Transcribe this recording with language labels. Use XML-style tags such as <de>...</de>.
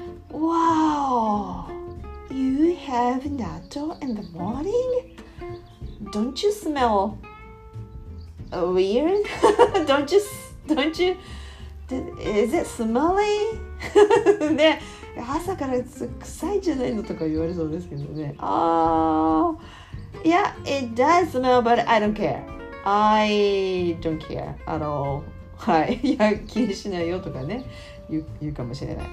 <en>Wow, you have natto in the morningDon't you smell weird? don't you? Is it smelly?</en> <ja>ね、朝から臭いじゃないのとか言われそうですけどね。</ja> <en>Oh, yeah, it does smell, but I don't care. I don't care at all.</en> <ja>はい、いや気にしないよとかね、言うかもしれない。</ja>